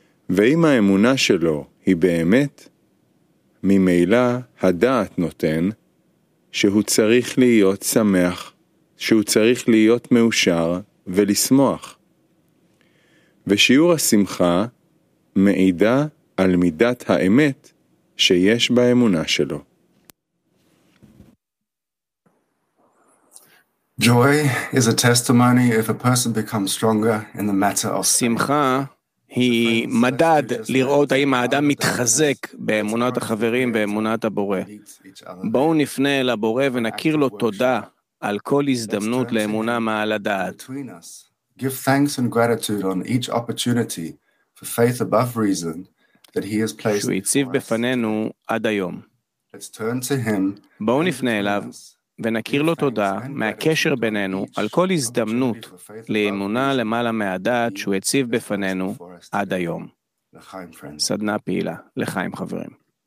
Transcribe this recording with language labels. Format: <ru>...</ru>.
<he>ואם האמונה שלו היא באמת, ממילא הדעת נותן שהוא צריך להיות שמח, שהוא צריך להיות מאושר ולשמוח. ושיעור השמחה מעידה על מידת האמת שיש באמונה שלו.</he> <en>Joy is a testimony if a person becomes stronger in the matter of</en> <he>שמחה היא מדד לראות האם האדם מתחזק באמונת החברים, באמונת הבורא. בואו נפנה אל הבורא ונכיר לו תודה על כל הזדמנות לאמונה מעל הדעת.</he> <en>Give thanks and gratitude on each opportunity for faith above reason that he has placed</en> <he>שהוא הציב בפנינו עד היום.</he> <en>Let's turn to him.</en> <he>בואו נפנה אליו ונכיר לו תודה מהקשר בינינו על כל הזדמנות לאמונה למעלה מהדעת שהוא הציב בפנינו עד היום. סדנה פעילה. לחיים חברים.</he>